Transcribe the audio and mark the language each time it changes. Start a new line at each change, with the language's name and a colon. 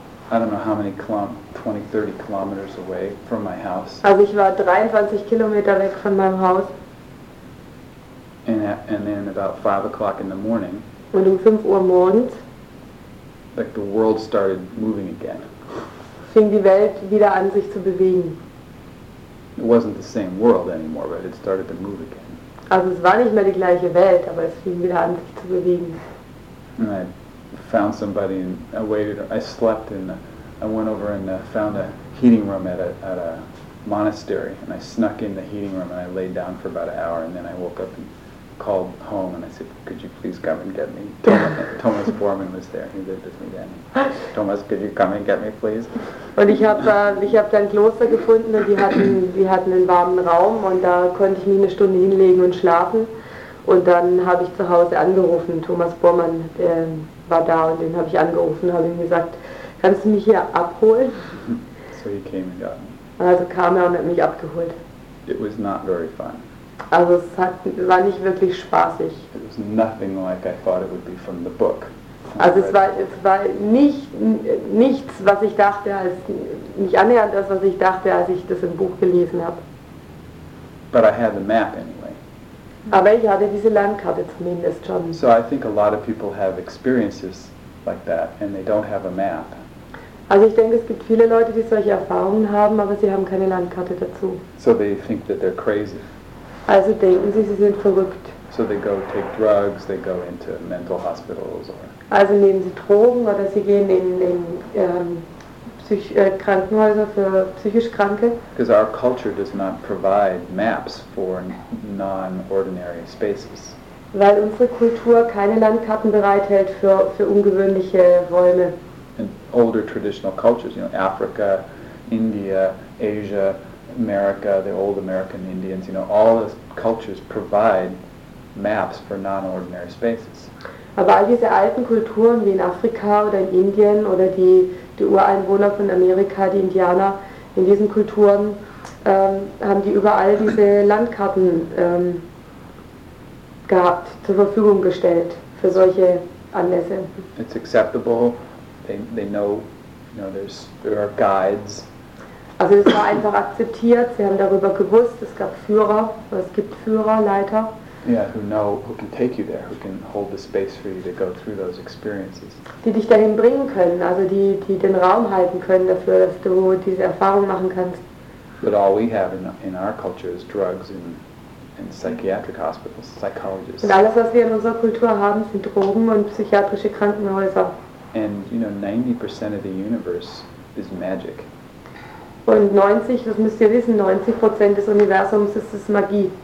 English: I don't know how many 20-30 kilometers away from my house.
German: Also ich war 23 Kilometer weg von meinem Haus.
English: And then about 5 o'clock in the morning.
German: Und um 5 Uhr morgens.
English: Like the world started moving again.
German: Fing die Welt wieder an, sich zu bewegen.
English: It wasn't the same world anymore, but it started to move again.
German: Also es war nicht mehr die gleiche Welt, aber es fing wieder an, sich zu bewegen.
English: And I found somebody and I waited. I slept and I went over and found a heating room at a monastery. And I snuck in the heating room and I laid down for about an hour and then I woke up and called home and I said, could you please come and get me? Thomas Bormann was there. He lived with me then. Thomas, could you come and get me, please?
German: Und ich hab dann Kloster gefunden und die hatten einen warmen Raum und da konnte ich mich eine Stunde hinlegen und schlafen. Und dann habe ich zu Hause angerufen. Thomas Bormann war da und den habe ich angerufen und habe ihm gesagt, kannst du mich hier abholen?
English: So he came and got me.
German: Also kam er und hat mich abgeholt.
English: It was not very fun.
German: Also es war nicht wirklich spaßig.
English: It was nothing like I thought it would be from the book.
German: Also es war nichts, was ich dachte, als nicht annähernd das, was ich dachte, als ich das im Buch gelesen habe.
English: But I had the map anyway.
German: Aber ich hatte diese Landkarte zumindest schon.
English: So I think a lot of people have experiences like that and they don't have a map.
German: Also ich denke, es gibt viele Leute, die solche Erfahrungen haben, aber sie haben keine Landkarte dazu.
English: So they think that they're crazy.
German: Also denken sie, sie sind verrückt.
English: So they go take drugs, they go into mental hospitals or.
German: Also nehmen sie Drogen oder sie gehen in Krankenhäuser für psychisch Kranke.
English: Because our culture does not provide maps for non-ordinary spaces.
German: Weil unsere Kultur keine Landkarten bereithält für ungewöhnliche Räume.
English: And older traditional cultures, you know, Africa, India, Asia, America, the old American Indians, you know, all those cultures provide maps for non-ordinary spaces.
German: Aber all diese alten Kulturen wie in Afrika oder in Indien oder die Ureinwohner von Amerika, die Indianer, in diesen Kulturen haben die überall diese Landkarten gehabt, zur Verfügung gestellt für solche Anlässe.
English: It's acceptable. They know, you know, there are guides.
German: Also es war einfach akzeptiert, sie haben darüber gewusst, es gab Führer, es gibt Führer, Leiter.
English: Yeah, who know, who can take you there, who can hold the space for you to go through those experiences.
German: Die dich dahin bringen können, also die, die den Raum halten können dafür, dass du diese Erfahrung machen kannst.
English: But all we have in our culture is drugs and psychiatric hospitals, psychologists.
German: Und alles, was wir in unserer Kultur haben, sind Drogen und psychiatrische Krankenhäuser.
English: And, you know, 90% of the universe is magic.
German: Und 90, das müsst ihr wissen, 90% des Universums ist Magie.